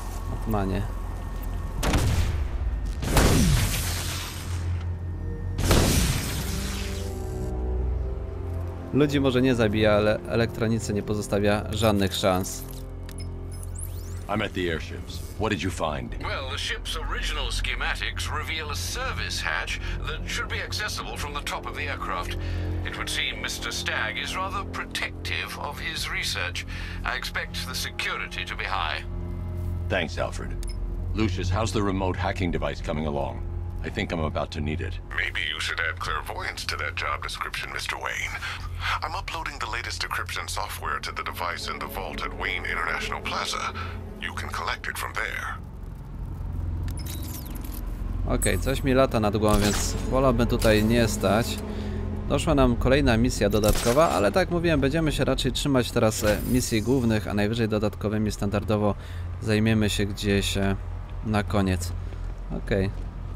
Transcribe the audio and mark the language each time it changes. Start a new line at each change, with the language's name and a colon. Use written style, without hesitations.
Polish: Batmanie. Ludzi może nie zabija, ale elektronice nie pozostawia żadnych szans.
English: I'm at the airships. What did you find? Well, the ship's original schematics reveal a service hatch that should be accessible from the top of the aircraft. It would seem Mr. Stagg is rather protective of his research. I expect the security to be high. Thanks, Alfred. Lucius, how's the remote hacking device coming along? I think I'm about to need it. Maybe you should add clairvoyance to that job description, Mr. Wayne. I'm uploading the latest decryption software to the device in the vault at Wayne International Plaza. You can collect it from there.
Polish: Okej, okay, coś mi lata nad głową, więc wolałbym tutaj nie stać. Doszła nam kolejna misja dodatkowa, ale tak jak mówiłem, będziemy się raczej trzymać teraz misji głównych, a najwyżej dodatkowymi standardowo zajmiemy się gdzieś na koniec. Okej. Okay.